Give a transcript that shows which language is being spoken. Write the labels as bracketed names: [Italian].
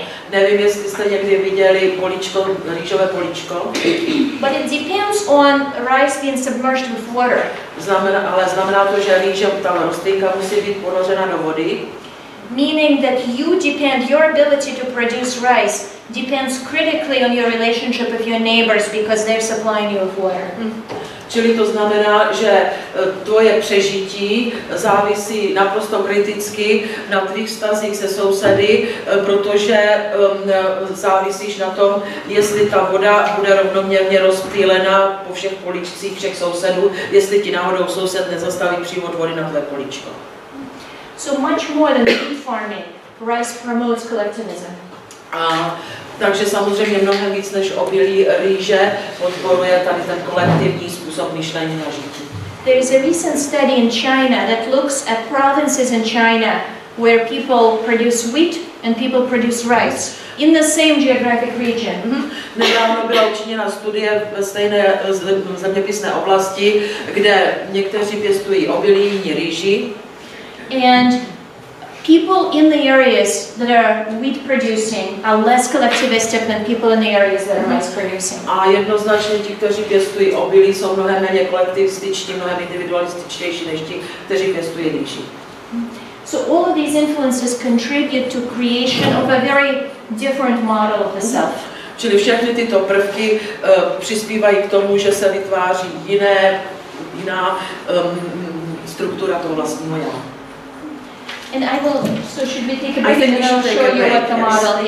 [Czech] Nevím, jestli jste někdy viděli poličko, rýžové poličko. [English] But it depends on rice being submerged with water. [Czech] Znamená to, že rýže, ta rostlinka musí být ponořena do vody. [English] Meaning that you depend, your ability to produce rice depends critically on your relationship with your neighbors because they're supplying you with water. [Czech] Čili to znamená, že tvoje přežití závisí naprosto kriticky na tvých vztazích se sousedy, protože závisíš na tom, jestli ta voda bude rovnoměrně rozptýlena po všech poličcích všech sousedů, jestli ti náhodou soused nezastaví přívod vody na tvé poličko. [English] So much more than food farming, rice promotes collectivism. [Czech] Takže samozřejmě mnohem víc než obilí rýže podporuje tady ten kolektivní způsob myšlení na žití. [English] There is a recent study in China that looks at provinces in China where people produce wheat and people produce rice in the same geographic region. [Czech] Nedávno byla učiněna studie ve stejné zeměpisné oblasti, kde někteří pěstují obilí, jiní rýži. [English] And people in the areas that are wheat producing are less collectivistic than people in the areas that are rice producing. [Czech] A jednoznačně ti, kteří pěstují obilí, jsou mnohem méně kolektivističtí, mnohem individualističtější než ti, kteří pěstují rýži. [English] So all of these influences contribute to creation of a very different model of the self. [Czech] Čili všechny tyto prvky přispívají k tomu, že se vytváří jiná struktura toho vlastního já. [English] And I will, so should we take a break and I'll show you what the model is.